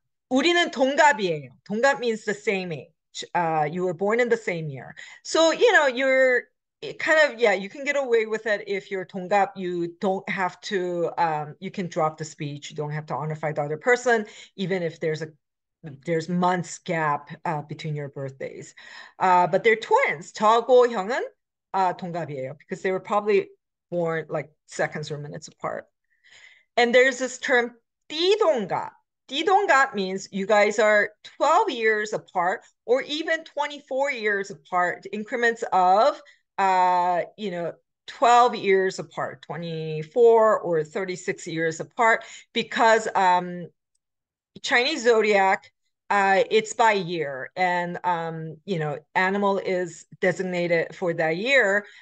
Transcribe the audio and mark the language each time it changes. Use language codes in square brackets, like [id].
[en] 우리는 동갑이에요. 동갑 means the same age. You were born in the same year. So, you're kind of, you can get away with it. If you're 동갑, you don't have to, you can drop the speech. You don't have to honorify the other person, even if there's months gap between your birthdays. But they're twins. [ko] 저하고 형은 동갑이에요. [en] Because they were probably born like seconds or minutes apart. And there's this term, 띠동갑. 띠동갑 means you guys are 12 years apart, or even 24 years apart, increments of 12 years apart, 24 or 36 years apart, because Chinese zodiac, it's by year, and animal is designated for that year.